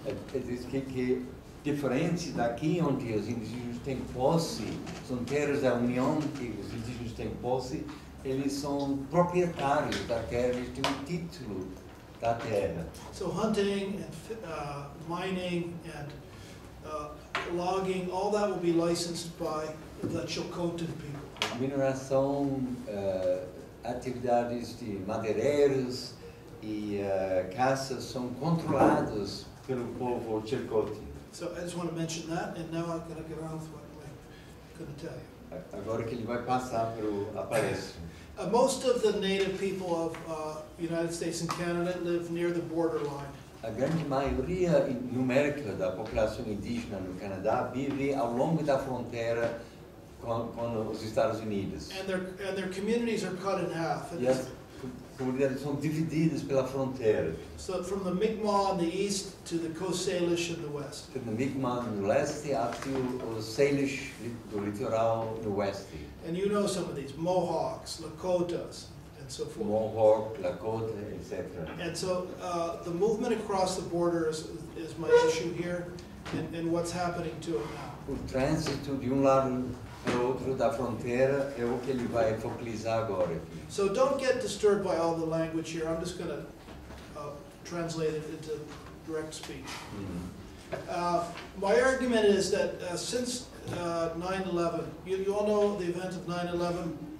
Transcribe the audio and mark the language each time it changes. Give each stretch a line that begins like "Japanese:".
Portuguese: Que diferente daqui, onde os indígenas têm posse, são terras da União que os indígenas têm posse, eles são proprietários da terra, eles têm o título da terra.
English: So hunting and mining and logging, all that will be licensed by the Chilcotin people.
Portuguese: Mineração, atividades de madeireiros caças são controlados pelo povo Chilcote.
English: So I just want to mention that, and now I'm going to get on with what I'm going to tell you.
Portuguese: Agora que ele vai passar pro aparece.
English: Most of the native people of United States and Canada live near the borderline.
Portuguese: A grande maioria numérica da população indígena no Canadá vive ao longo da fronteira com os Estados Unidos.
English: And their communities are cut in half.
Portuguese: E as comunidades são divididas pela fronteira.
English: So from the Mi'kmaq on the east to the Coast Salish in the west. From the
Portuguese: Mi'kmaq no leste até o Salish do litoral no oeste.
English: And you know some of these Mohawks, Lakotas, and so forth.
Portuguese: Mohawk, Lakota, etc.
English: And so the movement across the border is my issue here, and what's happening to it now.
Portuguese: O trânsito de lado para o outro da fronteira é o que ele vai focalizar agora.
English: So don't get disturbed by all the language here. I'm just going to translate it into direct speech. Mm-hmm. My argument is that since 9/11, you all know the event of 9/11,